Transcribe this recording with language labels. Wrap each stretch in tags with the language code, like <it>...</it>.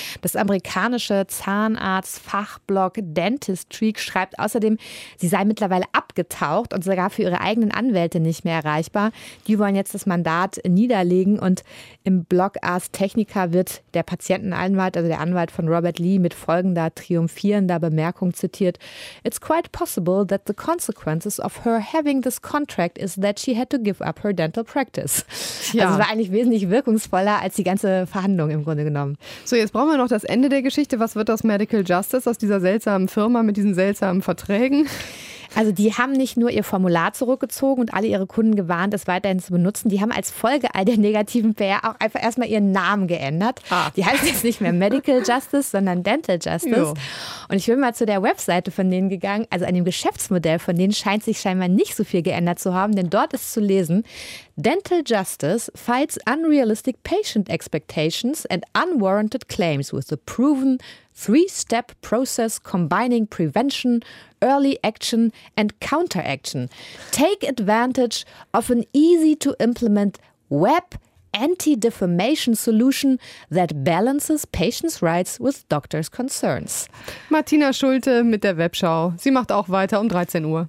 <de>Das amerikanische Zahnarzt-Fachblog Dentistry schreibt außerdem, sie sei mittlerweile abgetaucht und sogar für ihre eigenen Anwälte nicht mehr erreichbar. Die wollen jetzt das Mandat niederlegen und im Blog Ars Technica wird der Patientenanwalt, also der Anwalt von Robert Lee, mit folgender triumphierender Bemerkung zitiert.</de> <en>It's quite possible that the consequences of her having this contract is that she had to give up her dental practice.</en> <de>Ja. Also es war eigentlich wesentlich wirkungsvoller als die ganze Verhandlung im Grunde genommen. So, jetzt brauchen wir noch das Ende der Geschichte. Was wird aus Medical Justice, aus dieser seltsamen Firma mit diesen seltsamen Verträgen? Also die haben nicht nur ihr Formular zurückgezogen und alle ihre Kunden gewarnt, es weiterhin zu benutzen. Die haben als Folge all der negativen PR auch einfach erstmal ihren Namen geändert. Ah. Die heißt jetzt nicht mehr Medical Justice, sondern Dental Justice. Jo. Und ich bin mal zu der Webseite von denen gegangen. Also an dem Geschäftsmodell von denen scheint sich scheinbar nicht so viel geändert zu haben. Denn dort ist zu lesen,</de> <en>Dental Justice fights unrealistic patient expectations and unwarranted claims with the proven three-step process combining prevention, early action and counteraction. Take advantage of an easy-to-implement web anti-defamation solution that balances patients' rights with doctors' concerns.</en> <de>Martina Schulte mit der Webschau. Sie macht auch weiter um 13 Uhr.</de>